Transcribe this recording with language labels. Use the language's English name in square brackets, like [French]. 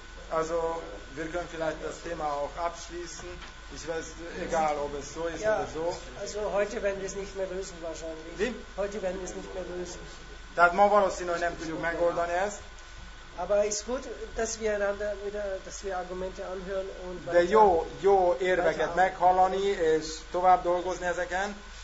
[German] Also, wir können vielleicht das Thema auch abschließen. Ich weiß, egal, ob es so ist oder so. Also, heute werden wir es nicht mehr lösen, wahrscheinlich. Wie? Heute werden wir es nicht mehr lösen. [Hungarian] Tehát ma valószínű, hogy nem tudjuk megoldani ezt. [German] Aber es ist gut, dass wir einander wieder, dass wir Argumente anhören und [Hungarian] de jó, jó érveket meghallani és tovább dolgozni ezeken.